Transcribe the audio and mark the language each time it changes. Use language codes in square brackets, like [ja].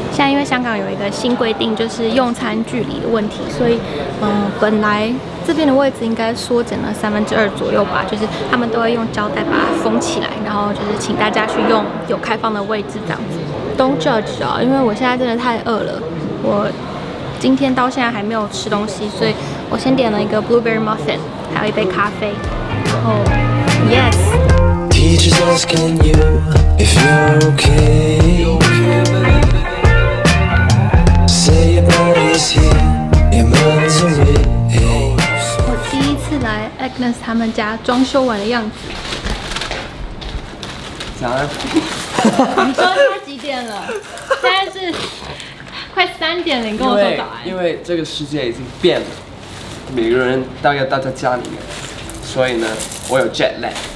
[zh] 现在因为香港有一个新规定，就是用餐距离的问题，所以本来这边的位置应该缩减了2/3左右吧，就是他们都会用胶带把它封起来，然后就是请大家去用有开放的位置这样子。 [en] Don't judge [zh] 啊，因为我现在真的太饿了，我今天到现在还没有吃东西，所以我先点了一个 [en] blueberry muffin， [zh] 还有一杯咖啡，然后 yes。 [en] Teacher's asking you if you're okay. Say your body's here, your mind's awake. [zh] 我第一次来 Agnes 他们家装修完的样子。早安。你说他几点了？现在是快3:00，跟我说早安。因为这个世界已经变了，每个人大概待在家里面，所以呢，我有 jet lag。